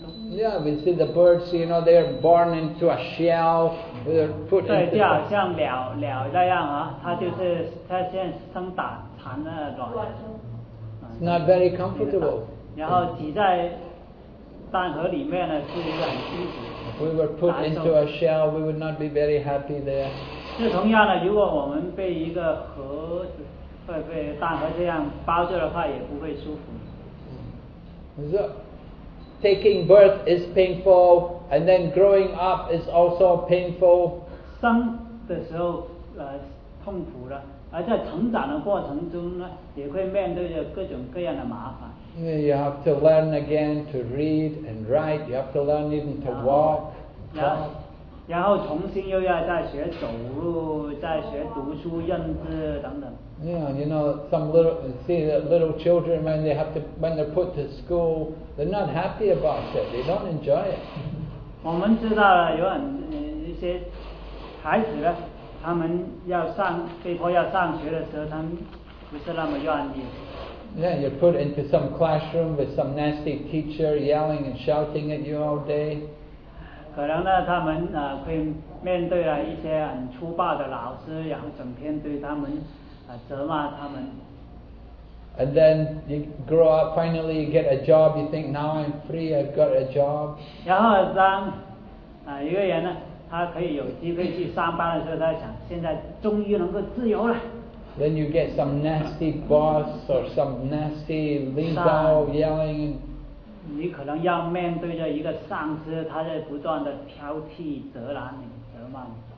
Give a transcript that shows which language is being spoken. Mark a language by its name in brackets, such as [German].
[English] Yeah, we see the birds, you know, they're born into a shell, they're put into. [Chinese] 对，就好像鸟那样它就是它先生蛋，产了卵。 [English] It's not very comfortable. [Chinese] 然后挤在蛋壳里面呢，是一个很辛苦。 [English] We were put into a shell, we would not be very happy there. [Chinese] 就同样的，如果我们被一个盒子，会被蛋壳这样包着的话，也不会舒服。 [English] So, taking birth is painful, and then growing up is also painful. [Chinese] 生的时候痛苦了，而在成长的过程中呢，也会面对着各种各样的麻烦。 [English] You have to learn again to read and write. You have to learn even to walk. [Chinese] 然后重新又要再学走路，再学读书、认字等等。 [English] Yeah, you know, some see that little children when they're put to school, they're not happy about it. They don't enjoy it. [Chinese] 我们知道了有很一些孩子呢，他们要上被迫要上学的时候，他们不是那么愿意。 [English] Yeah, you're put into some classroom with some nasty teacher yelling and shouting at you all day. [Chinese] 可能呢，他们会面对了一些很粗暴的老师，然后整天对他们责骂他们。 [English] And then you grow up, finally you get a job. You think now I'm free. I've got a job. [Chinese] 然后当一个人呢，他可以有机会去上班的时候，他想现在终于能够自由了。 [English] Then you get some nasty boss or some nasty leader yelling. [Chinese] 你可能要面对着一个上司，他在不断的挑剔、责难你、责骂你。